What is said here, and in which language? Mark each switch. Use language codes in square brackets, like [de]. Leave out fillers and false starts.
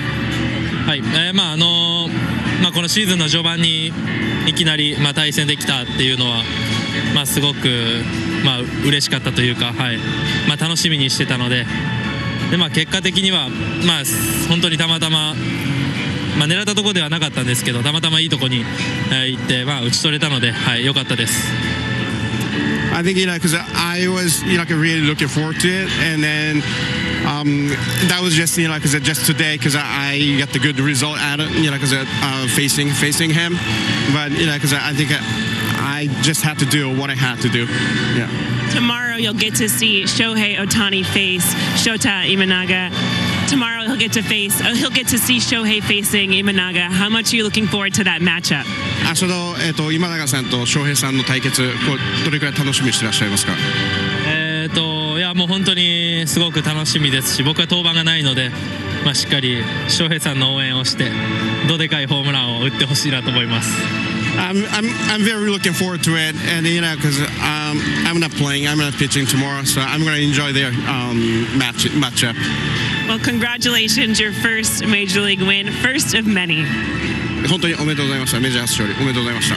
[ja] はい、このシーズンの序盤にいきなり、対戦できたっていうのは、すごく、嬉しかったというか、はい、楽しみにしてたので、結果的には、本当にたまたま、狙ったところではなかったんですけど、たまたまいいところに、行って、打ち取れたので、はい、よかったです。 [en] I think, because I was, really looking forward to it, and then that was just, just today, because I got the good result out of, facing him. But, because I think I just had to do what I had to do. Yeah. Tomorrow you'll get to see Shohei Ohtani face Shota Imanaga. Tomorrow he'll get to see Shohei facing Imanaga. How much are you looking forward to that matchup? [ja] 明日の、今永さんと翔平さんの対決、どれくらい楽しみにしてらっしゃいますか？本当にすごく楽しみですし、僕は登板がないので、しっかり翔平さんの応援をして、どでかいホームランを打ってほしいなと思います。 [en] I'm very looking forward to it, and because I'm not playing, I'm not pitching tomorrow, so I'm going to enjoy their matchup. Well, congratulations, your first major league win, first of many. [ja] 本当におめでとうございました。メジャー初勝利おめでとうございました。